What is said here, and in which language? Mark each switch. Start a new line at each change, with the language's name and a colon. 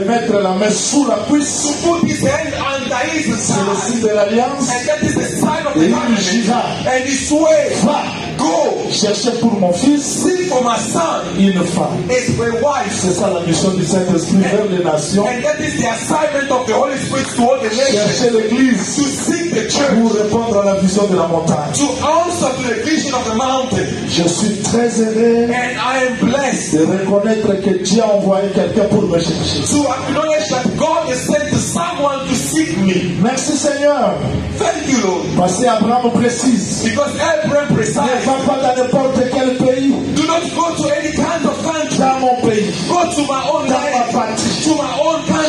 French: de mettre la main sous la cuisse
English: to put his hand under his side.
French: C'est le signe de l'alliance.
English: And that is the sign of the covenant.
French: Et il va.
English: And he swear.
French: Va.
English: Go.
French: Cherchez pour mon fils.
English: Seek for my son.
French: Une femme.
English: It's my wife.
French: C'est ça la mission du Saint-Esprit vers les nations.
English: And that is the assignment of the Holy Spirit to all the nations.
French: Cherchez l'église.
English: To seek the church.
French: Pour répondre à la vision de la montagne.
English: To answer to the vision of the mountain.
French: Je suis très heureux.
English: And I am blessed.
French: De reconnaître que Dieu a envoyé quelqu'un pour me chercher.
English: To acknowledge that God has sent someone to seek me.
French: Merci Seigneur.
English: Thank you Lord.
French: Parce qu'Abraham précise.
English: Because Abraham precise.
French: Ne va pas dans n'importe quel pays.
English: Do not go to any kind of country.
French: Dans mon pays.
English: Go to my own
French: land. Dans ma patrie.
English: To my own country.